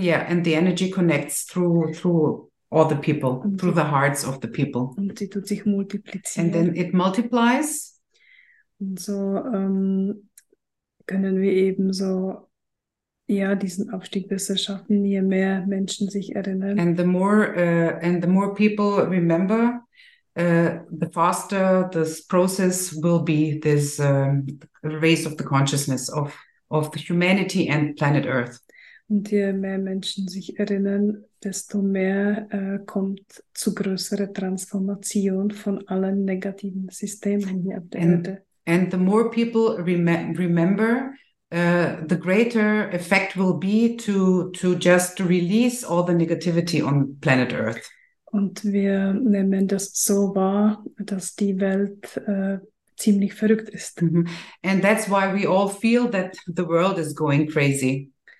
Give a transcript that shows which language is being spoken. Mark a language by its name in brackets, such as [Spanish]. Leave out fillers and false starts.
[English] Yeah, and the energy connects through all the people, through the hearts of the people. [German] Und sie tut sich multiplizieren. [English] And then it multiplies. [German] Und so können wir eben so ja diesen Aufstieg besser schaffen, je mehr Menschen sich erinnern. [English] And the more people remember, the faster this process will be, this raise of the consciousness of the humanity and planet Earth. [German] Und je mehr Menschen sich erinnern, desto mehr kommt zu größerer Transformation von allen negativen Systemen hier auf der Erde. [English] And the more people remember, the greater effect will be to just release all the negativity on planet Earth. [German] Und wir nehmen das so wahr, dass die Welt ziemlich verrückt ist. Mm-hmm. [English] And that's why we all feel that the world is going crazy.